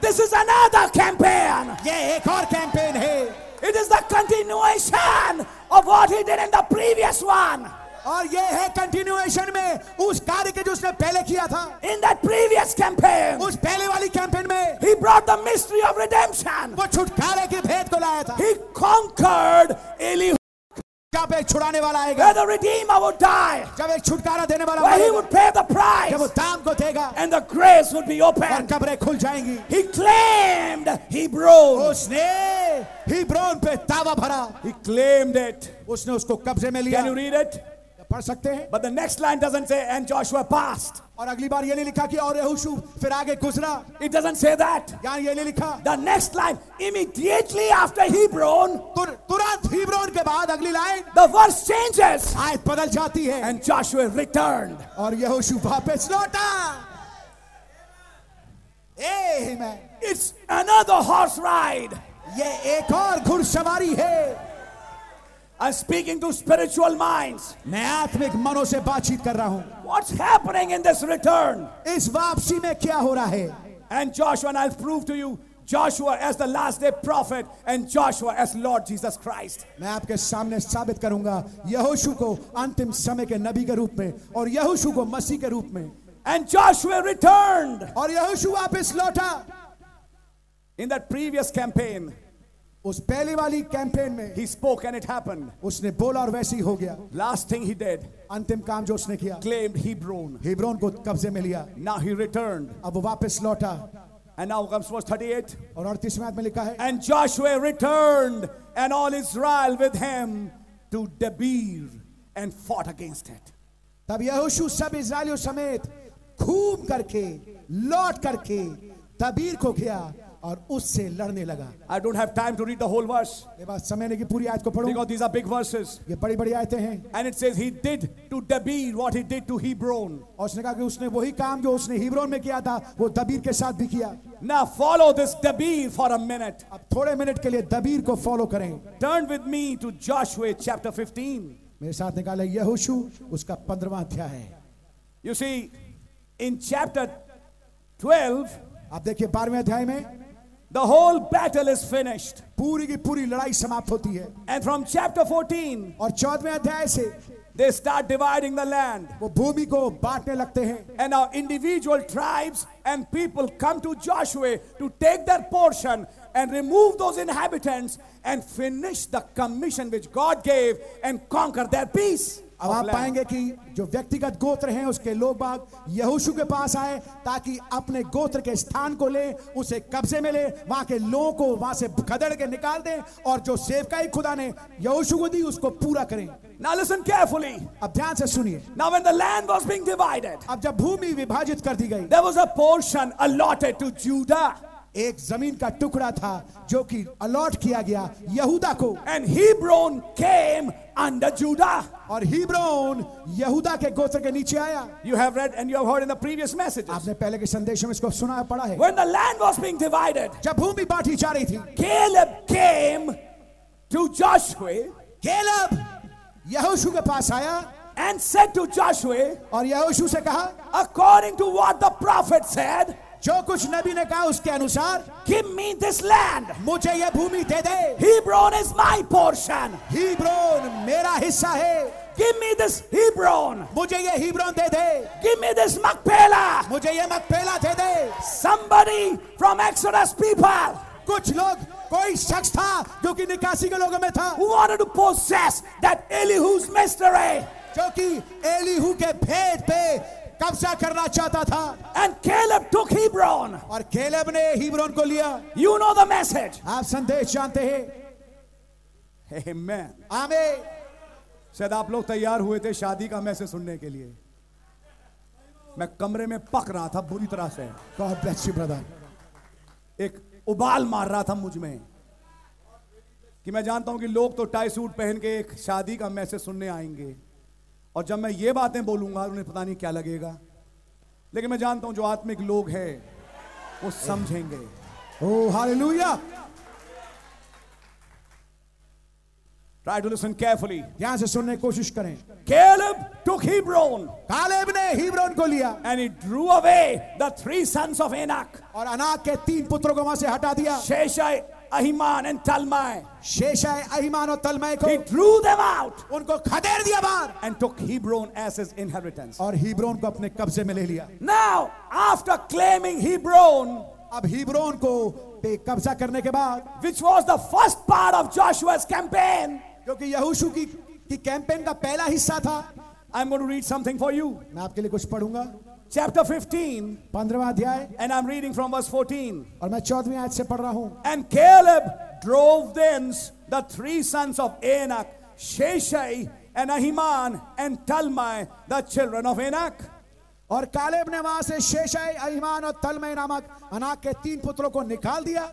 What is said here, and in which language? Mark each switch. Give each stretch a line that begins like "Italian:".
English: This is another campaign.
Hindi: ये एक और कैंपेन है.
English: It is the continuation of what he did in the previous one.
Hindi: और ये है continuation में उस कार्य के जो उसने पहले किया था.
English: In that previous campaign,
Hindi: उस पहले वाली campaign में,
English: he brought the mystery of redemption.
Hindi: वो छुटकारे के भेद को लाया था.
English: He conquered Elihu.
Hindi: जब एक छुड़ाने वाला आएगा,
English: where the redeemer would die,
Hindi: जब एक छुटकारा देने वाला,
English: where he would pay the price,
Hindi: जब वो दाम को देगा,
English: and the grace would be open,
Hindi: और कब्रें खुल जाएंगी.
English: He claimed Hebron,
Hindi: उसने Hebron पे दावा भरा.
English: He claimed it,
Hindi: उसने उसको कब्जे में लिया.
English: Can you read it?
Hindi: पढ़ सकते हैं.
English: But the next line doesn't say, and Joshua passed.
Hindi: और अगली बार ये नहीं लिखा कि और यहोशू फिर आगे गुजरा.
English: It doesn't say that.
Hindi: यहाँ ये नहीं लिखा.
English: The next line, immediately after Hebron,
Hindi: तुरंत Hebron के बाद अगली line,
English: the verse changes.
Hindi: आयत बदल जाती है.
English: And Joshua returned.
Hindi: और यहोशू वापस लौटा.
English: Amen. It's another horse ride.
Hindi: ये एक और घुड़सवारी है.
English: I'm speaking to spiritual minds.
Hindi: मैं आत्मिक मनों से बातचीत कर रहा हूँ.
English: What's happening in this return?
Hindi: इस वापसी में क्या हो रहा है?
English: And Joshua, and I'll prove to you Joshua as the last day prophet and Joshua as Lord Jesus Christ.
Hindi: मैं आपके सामने साबित करूँगा यहोशू को अंतिम समय के नबी के रूप में और यहोशू को मसीह के रूप में.
English: And Joshua returned.
Hindi: और यहोशू वापस लौटा.
English: In that previous campaign.
Hindi: उस पहले वाली कैंपेन में,
English: he spoke and it happened.
Hindi: उसने बोला और वैसे ही हो गया.
English: Last thing he did,
Hindi: अंतिम काम जो उसने किया,
English: claimed Hebron.
Hindi: Hebron को कब्जे में लिया.
English: Now he returned.
Hindi: अब वो वापस लौटा.
English: And now comes verse 38.
Hindi: और 38वें आयत में लिखा है,
English: and Joshua returned and all Israel with him to Debir and fought against it.
Hindi: तब यहोशू सब इज़राइलियों समेत घूम करके लौट करके दबीर को गया और उससे लड़ने लगा.
English: I don't have time to read the whole verse.
Hindi: मेरे पास समय नहीं कि पूरी आयत को पढूं.
English: Because these are big verses.
Hindi: ये बड़ी-बड़ी आयतें हैं.
English: And it says he did to Debir what he did to Hebron.
Hindi: और उसने कहा कि उसने वही काम जो उसने हीब्रोन में किया था वो दबीर के साथ भी किया.
English: Now follow this Debir for a minute.
Hindi: अब थोड़े मिनट के लिए दबीर को फॉलो करें.
English: Turn with me to Joshua chapter 15.
Hindi: मेरे साथ निकाले यहोशू उसका 15वां अध्याय है.
English: You see in chapter 12.
Hindi: आप देखिए 12वें अध्याय में.
English: The whole battle is finished.
Hindi: पूरी की पूरी लड़ाई समाप्त होती है.
English: And from chapter 14,
Hindi: और 14वें अध्याय से,
English: they start dividing the land.
Hindi: वो भूमि को बांटने लगते हैं.
English: And now individual tribes and people come to Joshua to take their portion and remove those inhabitants and finish the commission which God gave and conquer their peace.
Hindi: अब आप पाएंगे कि जो व्यक्तिगत गोत्र हैं उसके लोग बाग यहोशू के पास आए ताकि अपने गोत्र के स्थान को ले, उसे कब्जे में ले, वहां के लोगों को वहां से खदेड़ के निकाल दें और जो सेवकाई खुदा ने यहोशू को दी उसको पूरा करें.
English: Now listen carefully.
Hindi: अब ध्यान से सुनिए.
English: Now when the land was being divided,
Hindi: अब जब भूमि विभाजित कर दी गई,
English: there was a portion allotted to Judah.
Hindi: एक जमीन का टुकड़ा था जो कि अलॉट किया गया यहूदा को.
English: And Hebron came under Judah.
Hindi: और Hebron यहूदा के गोत्र के नीचे आया.
English: You have read and you have heard in the previous messages.
Hindi: आपने पहले के संदेशों में इसको सुना है, पढ़ा है.
English: When the land was being divided,
Hindi: जब भूमि बांटी जा रही थी,
English: Caleb came to Joshua.
Hindi: Caleb यहोशू के पास आया.
English: And said to Joshua,
Hindi: और यहोशू से कहा,
English: according to what the prophet said,
Hindi: जो कुछ नबी ने कहा उसके अनुसार,
English: give me this land,
Hindi: मुझे ये भूमि दे दे.
English: Hebron is my portion,
Hindi: Hebron मेरा हिस्सा है.
English: Give me this Hebron,
Hindi: मुझे ये Hebron दे दे.
English: Give me this Machpelah,
Hindi: मुझे ये Machpelah दे दे.
English: Somebody from Exodus people,
Hindi: कुछ लोग, कोई शख्स था जो कि निकासी के लोगों में था,
English: who wanted to possess that Elihu's mystery,
Hindi: जो कि Elihu के भेद पे कब्जा करना चाहता था.
English: And Caleb took Hebron.
Hindi: और Caleb ने Hebron को लिया.
English: You know the message.
Hindi: आप संदेश जानते हैं.
English: Amen. Amen.
Hindi: शायद आप लोग तैयार हुए थे शादी का मैसेज सुनने के लिए. मैं कमरे में पक रहा था बुरी तरह से.
English: God bless you, brother.
Hindi: एक उबाल मार रहा था मुझ में कि मैं जानता हूं कि लोग तो टाई सूट पहन के एक शादी का मैसेज सुनने आएंगे और जब मैं ये बातें बोलूंगा उन्हें पता नहीं क्या लगेगा. लेकिन मैं जानता हूं जो आत्मिक लोग हैं वो समझेंगे. Oh hallelujah.
English: Try to listen carefully.
Hindi: ध्यान से सुनने की कोशिश करें.
English: Caleb took Hebron.
Hindi: Caleb ने Hebron को लिया.
English: And he drew away the three sons of Anak.
Hindi: और अनाक के तीन पुत्रों को वहां से हटा दिया. शेशाई, अहिमान एंड तलमाय शेषाय अहिमान और तलमाय को
English: he drew them out
Hindi: उनको खदेड़ दिया बाहर
English: and took Hebron as his inheritance
Hindi: और हीब्रोन को अपने कब्जे में ले लिया
English: now after claiming Hebron
Hindi: अब हीब्रोन को पे कब्जा करने के बाद
English: which was the first part of Joshua's campaign
Hindi: क्योंकि यहोशू की कैंपेन का पहला हिस्सा था
English: I'm going to read something for you
Hindi: मैं आपके लिए कुछ पढ़ूंगा
English: Chapter 15,
Hindi: 15वां अध्याय,
English: and I'm reading from verse 14.
Hindi: और मैं 14वीं आयत से पढ़ रहा हूँ.
English: And Caleb drove thence the three sons of Anak, Sheshai, and Ahiman, and Talmai, the children of Anak.
Hindi: और कालेब ने वहाँ से शेशाई, अहिमान और तलमै नामक अनाक के तीन पुत्रों को निकाल दिया.